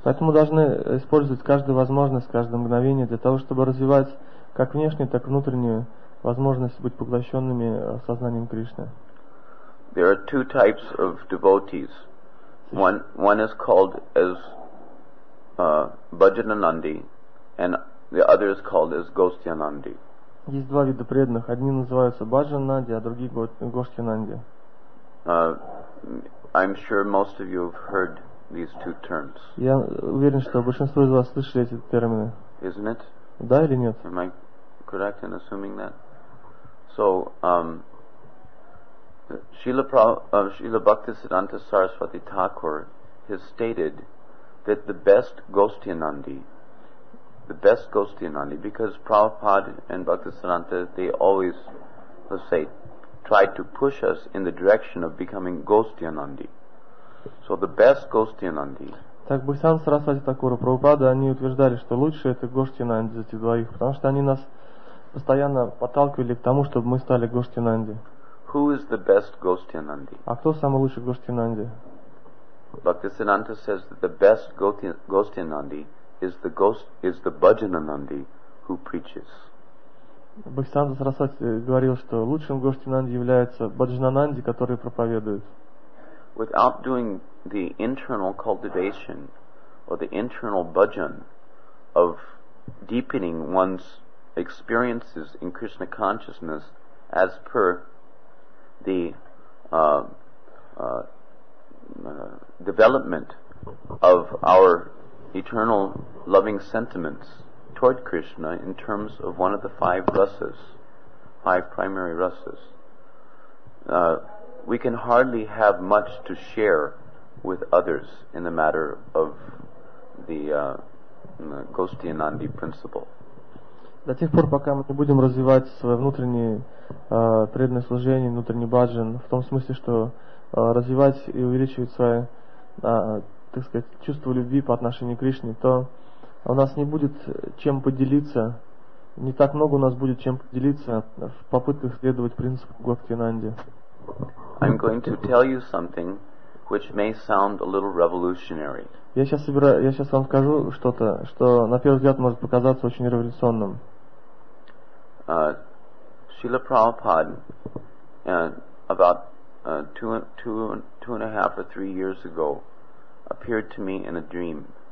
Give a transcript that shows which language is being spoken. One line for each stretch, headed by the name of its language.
Russian: Поэтому должны использовать каждую возможность, каждое мгновение для того, чтобы развивать как внешнюю, так и внутреннюю возможность быть поглощенными сознанием Кришны.
English: There are two types of devotees. One is called as Bhajananandi, and the other is called as Gostyanandi.
Russian: Есть два вида преданных. Одни называются Bhajananandi, а другие Gostyanandi.
English: I'm sure most of you have heard these two terms.
Russian: Я уверен, что большинство из вас слышали эти термины.
English: Isn't it?
Russian: Да или нет?
English: Am I correct in assuming that? So, Srila Bhaktisiddhanta Saraswati Thakur has stated that the best Gostyanandi, because Prabhupada and Bhaktisiddhanta, they always, let's say, try to push us in the direction of becoming Gostyanandi. So the best Gostyanandi
Russian: Так Бхактисиддханта Сарасвати Такура Прабхупада, они утверждали, что лучше это Гоштинанди за этих двоих, потому что они нас постоянно подталкивали к тому, чтобы мы стали Гоштинанди.
English: Who is the best Gostinandi?
Russian: А кто самый лучший Гоштинанди?
English: Бхактисиддханта says that the best Gostinandi is the ghost is the Bhajananandi who preaches.
Russian: Бхактисиддханта Сарасвати говорил, что лучшим Гоштинанди является Бхаджинананди, который проповедует.
English: Without doing the internal cultivation or the internal bhajan of deepening one's experiences in Krishna consciousness as per the development of our eternal loving sentiments toward Krishna in terms of one of the five rasas, five primary rasas, we can hardly have much to share with others in the matter of the Gostinandi principle.
Russian: До тех пор, пока мы не будем развивать свое внутреннее преданное служение, внутренний баджан, в том смысле, что развивать и увеличивать свое, так сказать, чувство любви по отношению к Кришне, то у нас не будет чем поделиться, не так много у нас будет чем поделиться в попытках следовать принципу Гостинанди.
English: I'm going to tell you something which may sound a little revolutionary.
Russian: Я сейчас вам скажу что-то, что на первый взгляд может показаться очень революционным.
English: Srila Prabhupada, about two and a half or three years ago, appeared to me in a dream.